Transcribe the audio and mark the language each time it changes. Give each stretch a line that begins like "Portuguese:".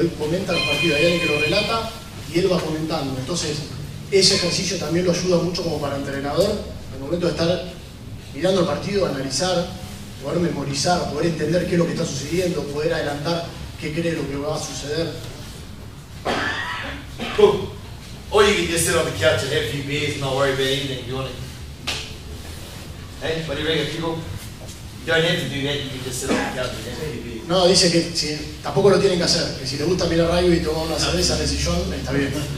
Spanish: Él comenta los partidos, hay alguien que lo relata, y él va comentando. Entonces, ese ejercicio también lo ayuda mucho como para entrenador, al momento de estar mirando el partido, analizar, poder memorizar, poder entender qué es lo que está sucediendo, poder adelantar qué cree lo que va a suceder.
English: Cool. Or you can just sit on the couch and have a few beers and not worry about anything, you want it. Hey, what do you reckon, people? You don't have to do that, you can just sit on the couch and have a few beers.
Spanish: No, dice que si, tampoco lo tienen que hacer, que si les gusta mirar radio y tomar una cerveza en el sillón, está bien.